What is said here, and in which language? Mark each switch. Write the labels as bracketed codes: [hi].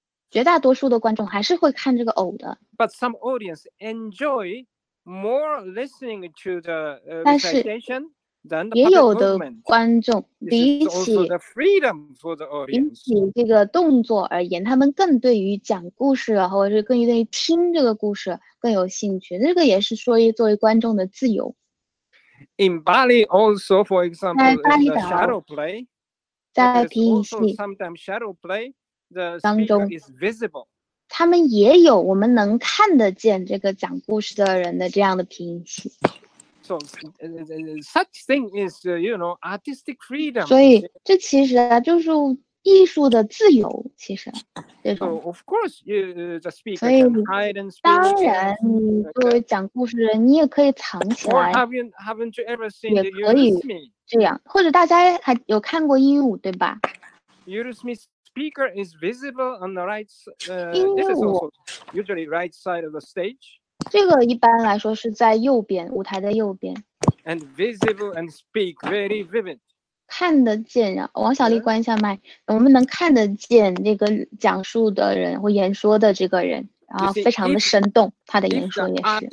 [zh] 绝大多数的观众还是会看这个偶的。 [en] But some audience enjoy more listening to the recitation than the puppet movement. This is also the freedom for the audience. [zh] 比起这个动作而言，他们更对于讲故事，或者是更愿意听这个故事更有兴趣。这个也是说作为观众的自由。 [en] In Bali also, for example, in the shadow play, there is also sometimes shadow play, the speaker is visible. [zh] 他们也有我们能看得见这个讲故事的人的这样的皮影戏。 [en] So such thing is, you know, artistic freedom. [zh] 所以这其实就是艺术的自由，其实。 [en] So of course, the speaker can hide and speak. [zh] 当然，你作为讲故事人，你也可以藏起来。 [en] Haven't you ever seen Yurusmi? [zh] 也可以这样，或者大家还有看过鹦鹉，对吧？ [en] Yurusmi's speaker is visible on the right. This is also usually right side of the stage. [zh] 这个一般来说是在右边，舞台的右边。 And visible and speak very vivid. 看得见啊，王小丽关一下麦，我们能看得见那个讲述的人或演说的这个人，然后非常的生动，他的演说也是。